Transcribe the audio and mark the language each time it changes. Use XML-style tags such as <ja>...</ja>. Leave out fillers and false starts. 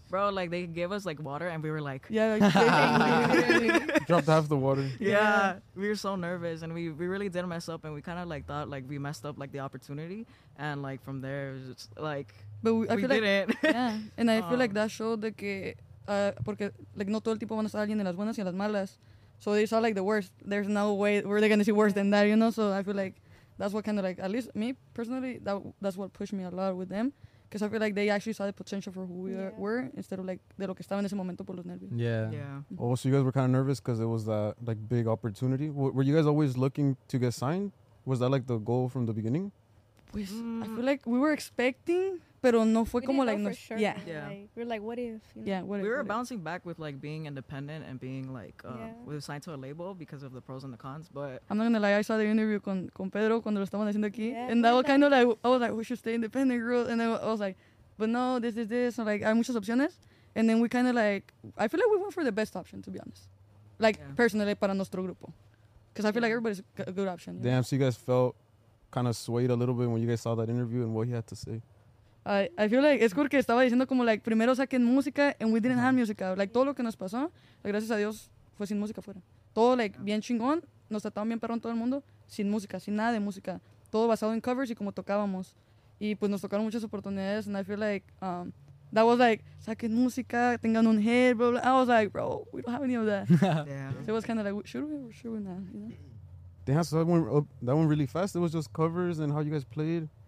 <en>Bro, like, they gave us, like, water, and we were, like... Yeah, like, dropped half the water. Yeah, we were so nervous, and we really did mess up, and we kind of, like, thought, like, we messed up, like, the opportunity. And, like, from there, it was just, like... But we did like, it. Yeah, and I feel like that showed that...</en> <es>Porque, like, no todo el tiempo van a estar alguien en las buenas y en las malas.</es> <en>So they saw, like, the worst. There's no way we're going to see worse than that, you know? So I feel like that's what kind of, like, at least me personally, that's what pushed me a lot with them. Because I feel like they actually saw the potential for who we were instead of, like,</en> <es>de lo que estaba en ese momento por los nervios.</es> <en>Yeah. Yeah. Oh, so you guys were kind of nervous because it was that, like, big opportunity. Were you guys always looking to get signed? Was that, like, the goal from the beginning? Pues, I feel like we were expecting...</en> <es>Pero no fue</es> <en>we</en> <es>como like,</es> <en>for sure. Yeah. yeah. Like, we're like, what if? You know? Yeah, what we if, were what bouncing if. Back with like being independent and being like, we were signed to a label because of the pros and the cons. But I'm not gonna lie, I saw the interview</en> <es>con Pedro cuando lo estaban haciendo aquí.</es> <en>Yeah. And that was kind of like, I was like, we should stay independent, girl. And then I was like, but no, this. So like,</en> <es>hay muchas opciones.</es> <en>And then we kind of like, I feel like we went for the best option, to be honest. Like, personally,</en> <es>para nuestro grupo.</es> <en>Because I feel like everybody's a good option. Damn, so you guys felt kind of swayed a little bit when you guys saw that interview and what he had to say.</en> <es>I feel like, es porque estaba diciendo como, like, primero saquen música,</es> <en>and we didn't have</en> <es>música. Like, todo lo que nos pasó, like, gracias a Dios, fue sin música afuera. Todo, like, bien chingón, nos trataban bien perrón todo el mundo, sin música, sin nada de música. Todo basado en covers y como tocábamos. Y, pues, nos tocaron muchas oportunidades,</es> <en>and I feel like, that was like,</en> <es>saquen música, tengan un hit,</es> <en>blah, blah. I was like, bro, we don't have any of that. Yeah. So it was kind of like, should we or should we not, you know? Damn, so that went really fast. It was just covers and how you guys played.</en>